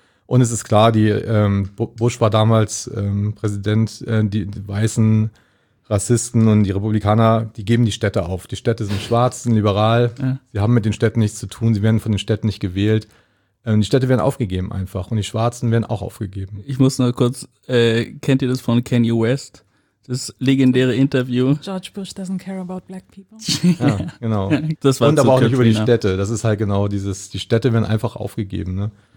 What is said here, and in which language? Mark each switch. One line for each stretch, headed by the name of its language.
German: Und es ist klar, die Bush war damals Präsident, die weißen Rassisten und die Republikaner, die geben die Städte auf. Die Städte sind schwarz, sind liberal, sie haben mit den Städten nichts zu tun, sie werden von den Städten nicht gewählt. Die Städte werden aufgegeben einfach und die Schwarzen werden auch aufgegeben. Ich muss nur kurz, kennt ihr das von Kanye West? Das legendäre Interview.
English: George Bush doesn't care about black people.
German: Ja, genau. Das war und aber auch nicht über die Städte. Das ist halt genau dieses, die Städte werden einfach aufgegeben. Ne?